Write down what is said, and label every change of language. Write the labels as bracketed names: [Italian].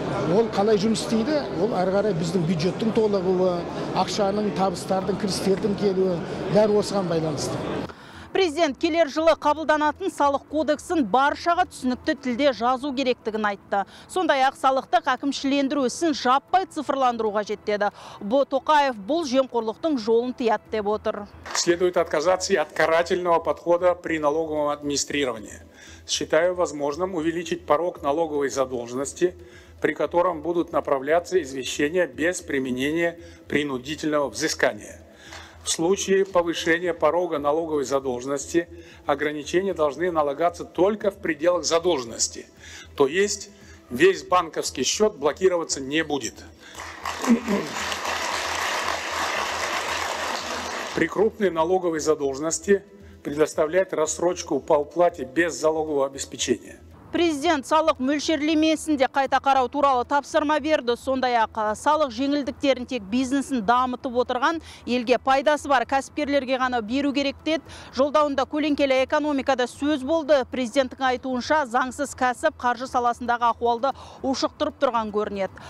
[Kazakh] Ол қалай жұмыс істейді, ол әрі қарай біздің бюджеттің толығуы, ақшаның, табыстардың, кірістердің келуі, бәрі осыған байланысты. Президент келер жылы қабылданатын салық кодексін баршаға түсінікті тілде жазу керектігін айтты. Сондай-ақ салықты әкімшілендіру ісін жаппай цифрландыруға жеттеді. Тоқаев бұл жемқорлықтың жолын тыяды деп отыр. [Russian] Следует отказаться от карательного подхода при налоговом администрировании. Считаю возможным увеличить порог налоговой задолженности, при котором будут направляться извещения без применения принудительного взыскания. В случае повышения порога налоговой задолженности ограничения должны налагаться только в пределах задолженности, то есть весь банковский счет блокироваться не будет. При крупной налоговой задолженности предоставлять рассрочку по уплате без залогового обеспечения. [Kazakh] Президент салық мөлшерлемесін де қайта қарау туралы тапсырма берді. Сондай-ақ салық жеңілдіктерін тек бизнесін дамытып отырған елге пайдасы бар кәсіпкерлерге ғана беру керек деді. Жолдауында көлеңкелі экономикада сөз болды. Президенттің айтуынша заңсыз кәсіп қаржы саласындағы ахуалды ушықтырып тұрған көрінеді.